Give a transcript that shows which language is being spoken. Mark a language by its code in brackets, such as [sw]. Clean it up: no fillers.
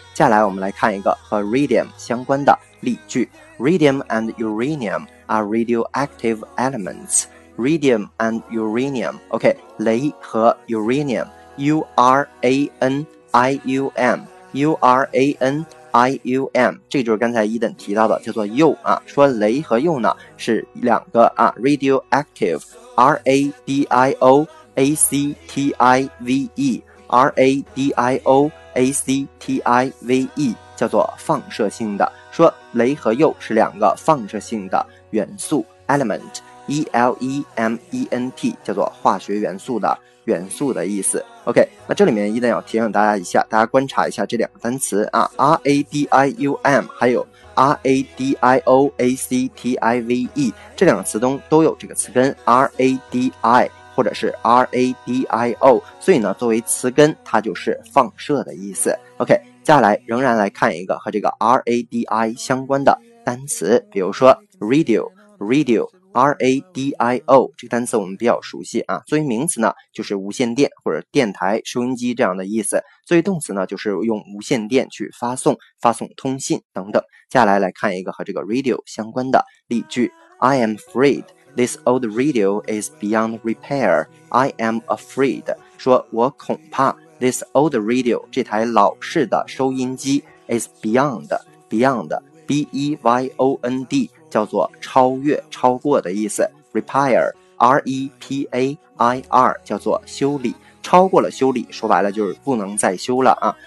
[zh] 接下来我们来看一个和 radium 相关的例句 ： [en] radium and uranium are radioactive elements. Radium and uranium. [zh] OK， 镭和 uranium， uranium， uranium， 这就是刚才伊登提到的，叫做铀啊。说镭和铀呢是两个啊 ，radioactive， R A D I O。 A-C-T-I-V-E R-A-D-I-O-A-C-T-I-V-E 叫做放射性的，说镭和铀是两个放射性的元素 element E-L-E-M-E-N-T 叫做化学元素的元素的意思。 OK， 那这里面一定要提醒大家一下，大家观察一下这两个单词啊， R-A-D-I-U-M 还有R-A-D-I-O-A-C-T-I-V-E 这两个词中都有这个词根 R-A-D-I或者是 radio， 所以呢，作为词根，它就是放射的意思。 OK， 接下来仍然来看一个和这个 radi 相关的单词，比如说 radio，radio，radio， 这个单词我们比较熟悉啊。作为名词呢，就是无线电或者电台、收音机这样的意思；作为动词呢，就是用无线电去发送、发送通信等等。接下来来看一个和这个 radio 相关的例句 ： [en] I am afraid。 This old radio is beyond repair. I am afraid. [zh] 说我恐怕 [en] This old radio [zh] 这台老式的收音机 [en] is beyond [zh] B-E-Y-O-N-D 叫做超越超过的意思 Repair R-E-P-A-I-R 叫做修理超过了修理说白了就是不能再修了啊。